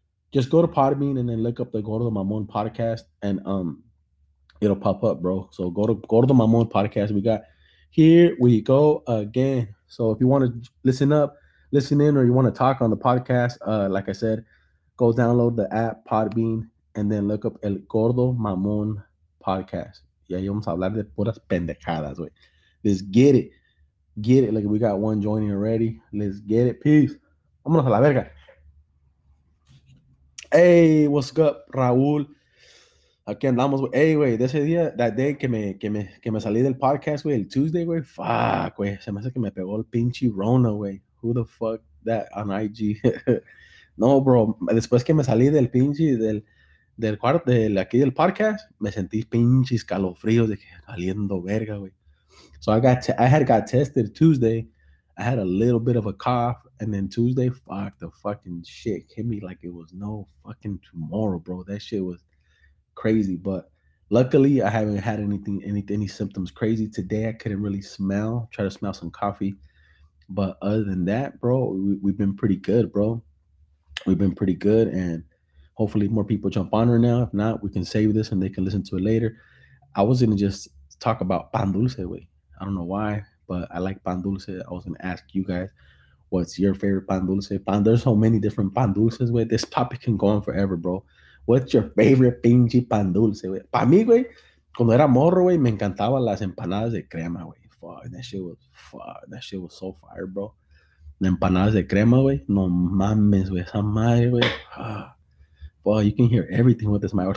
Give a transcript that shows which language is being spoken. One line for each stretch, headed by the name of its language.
English: Just go to Podbean and then look up the Gordo Mamon podcast and it'll pop up, bro. So go to Mamon podcast. We got here we go again. So if you want to listen in, or you want to talk on the podcast, like I said, go download the app Podbean and then look up El Gordo Mamon podcast.
Spanish: Yeah, vamos a hablar de puras pendejadas, wait.
English: Let's get it. Get it, like we got one joining already. Let's get it. Peace.
Spanish: Vámonos a la verga.
English: Hey, what's up, Raúl?
Spanish: Aquí andamos, güey. Hey, güey, de ese día,
English: that day
Spanish: que me salí del podcast, güey, el Tuesday, güey. Fuck, güey. Se me hace que me pegó el pinche Rona, güey.
English: Who the fuck that on IG?
Spanish: No, bro. Después que me salí del pinche del cuarto, del aquí del podcast, me sentí pinche escalofrío de que saliendo verga, güey.
English: So I had got tested Tuesday. I had a little bit of a cough, and then Tuesday, fuck, the fucking shit hit me like it was no fucking tomorrow, bro. That shit was crazy. But luckily, I haven't had any symptoms crazy. Today, I couldn't really smell. Try to smell some coffee, but other than that, bro, we've been pretty good, bro. We've been pretty good, and hopefully, more people jump on right now. If not, we can save this and they can listen to it later. I was gonna just talk about pan dulce, wey. I don't know why, but I like pan dulce. I was gonna ask you guys, what's your favorite pan dulce? Pan, there's so many different pan dulces, wey. This topic can go on forever, bro. What's your favorite pinche pan dulce, wey?
Spanish: Para mí, wey, cuando era morro, wey, me encantaban las empanadas de crema, wey.
English: Fuck, that shit was, fuck, that shit was so fire, bro.
Spanish: The empanadas de crema, wey. No mames, wey. Esa madre, wey. Ah.
English: Well, you can hear everything with this mic.